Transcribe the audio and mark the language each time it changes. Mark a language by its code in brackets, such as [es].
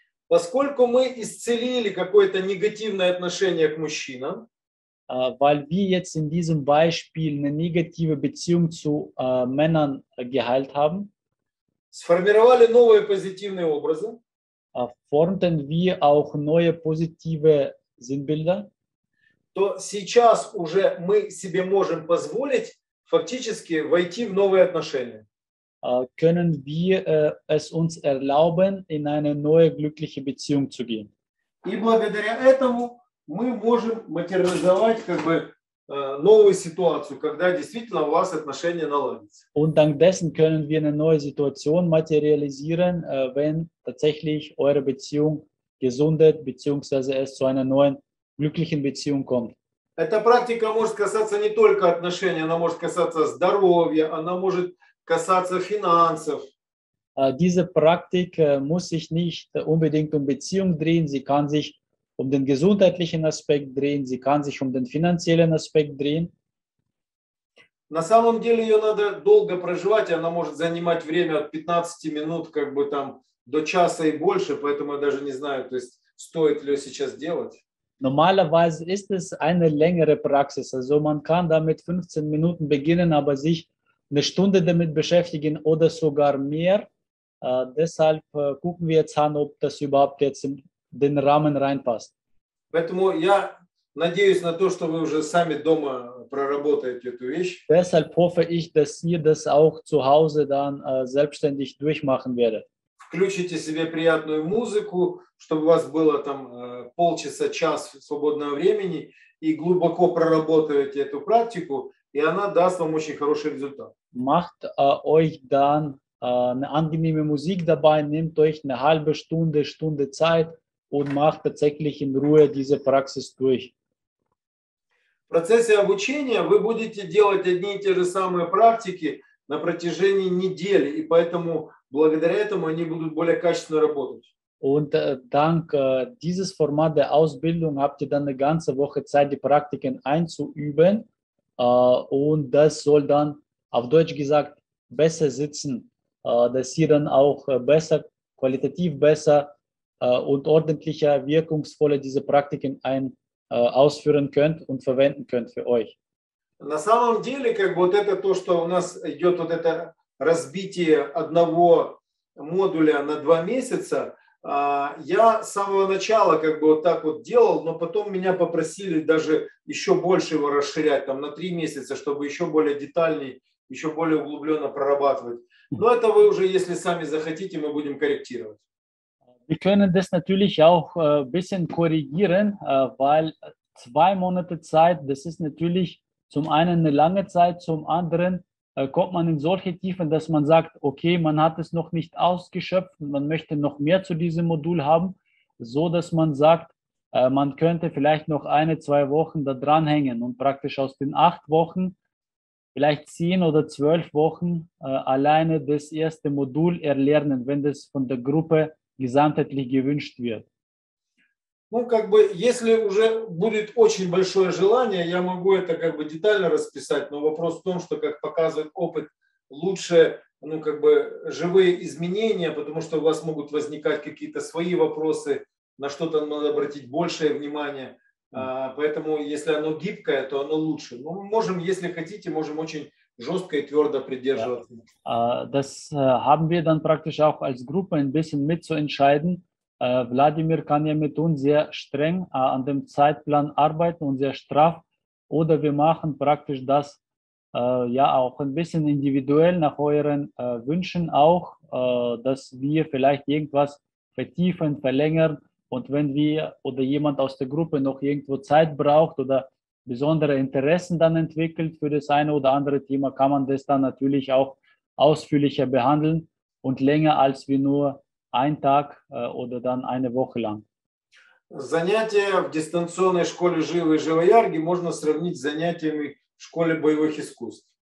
[ru] Поскольку мы исцелили какое-то негативное отношение к мужчинам, [de] weil wir jetzt in diesem Beispiel eine negative Beziehung zu Männern geheilt haben, [ru] сформировали новые позитивные образы, [de] formten wir auch neue positive Sinnbilder, [ru] то сейчас уже мы себе можем позволить фактически войти в новые отношения. [de] Können wir es uns erlauben, in eine neue glückliche Beziehung zu gehen. [ru] И благодаря этому мы можем материализовать как бы новую ситуацию, когда действительно у вас отношения наладятся. [de] Und dank dessen können wir eine neue Situation materialisieren, wenn tatsächlich eure Beziehung gesundet, beziehungsweise es zu einer neuen glücklichen Beziehung kommt. [ru] Эта практика может касаться не только отношений, она может касаться здоровья, она может касаться финансов. [de] Diese Praktik muss sich nicht unbedingt um Beziehung drehen, sie kann sich um den gesundheitlichen Aspekt drehen, sie kann sich um den finanziellen Aspekt drehen. [ru] На самом деле ее надо долго проживать, она может занимать время от 15 минут, как бы там, до часа и больше, поэтому я даже не знаю, то есть, стоит ли ее сейчас делать. [de] Normalerweise ist es eine längere Praxis, also man kann damit 15 Minuten beginnen, aber sich eine Stunde damit beschäftigen oder sogar mehr, Deshalb gucken wir jetzt an, ob das überhaupt jetzt in den Rahmen reinpasst. [ru] Поэтому я надеюсь на то, что вы уже сами дома проработаете эту вещь. [de] Deshalb hoffe ich, dass ihr das auch zu Hause dann selbstständig durchmachen werdet. [ru] Включите себе приятную музыку, чтобы у вас было там полчаса, час свободного времени, и глубоко проработаете эту практику, и она даст вам очень хороший результат. [de] Macht euch dann eine angenehme Musik dabei, nehmt euch eine halbe Stunde, Stunde Zeit und macht tatsächlich in Ruhe diese Praxis durch. [ru] В процессе обучения вы будете делать одни и те же самые практики на протяжении недели, и поэтому благодаря этому они будут более качественно работать. [de] Und dank dieses Format der Ausbildung habt ihr dann eine ganze Woche Zeit, die Praktiken einzuüben. Und das soll dann, auf Deutsch gesagt, besser sitzen, dass ihr dann auch besser, qualitativ besser und ordentlicher, wirkungsvoller diese Praktiken ausführen könnt und verwenden könnt für euch. [ru] На самом деле, как бы вот это то, что у нас идет вот это разбитие одного модуля на два месяца, я с самого начала как бы вот так вот делал, но потом меня попросили даже еще больше его расширять, там на три месяца, чтобы еще более детальней, еще более углубленно прорабатывать. Но это вы уже, если сами захотите, мы будем корректировать. [de] Wir können das natürlich auch ein bisschen korrigieren, weil zwei Monate Zeit, das ist natürlich zum einen eine lange Zeit, zum anderen kommt man in solche Tiefen, dass man sagt, okay, man hat es noch nicht ausgeschöpft und man möchte noch mehr zu diesem Modul haben, so dass man sagt, man könnte vielleicht noch eine, zwei Wochen da dranhängen und praktisch aus den 8 Wochen vielleicht 10 oder 12 Wochen alleine das erste Modul erlernen, wenn das von der Gruppe gesamtheitlich gewünscht wird. [ru] Ну, как бы, если уже будет очень большое желание, я могу это как бы детально расписать, но вопрос в том, что, как показывает опыт, лучше, ну, как бы, живые изменения, потому что у вас могут возникать какие-то свои вопросы, на что-то надо обратить большее внимание. Поэтому, если оно гибкое, то оно лучше. Но мы можем, если хотите, можем очень жестко и твердо придерживаться. [de] Das haben wir dann praktisch auch als Gruppe ein bisschen mit zu entscheiden. Wladimir kann ja mit uns sehr streng an dem Zeitplan arbeiten und sehr straff. Oder wir machen praktisch das ja auch ein bisschen individuell nach euren Wünschen auch, dass wir vielleicht irgendwas vertiefen, verlängern. Und wenn wir oder jemand aus der Gruppe noch irgendwo Zeit braucht oder besondere Interessen dann entwickelt für das eine oder andere Thema, kann man das dann natürlich auch ausführlicher behandeln und länger als wir nur ein Tag oder dann eine Woche lang. [ru] Занятия в дистанционной школе живой живоярги можно сравнить с занятиями в школе боевых искусств.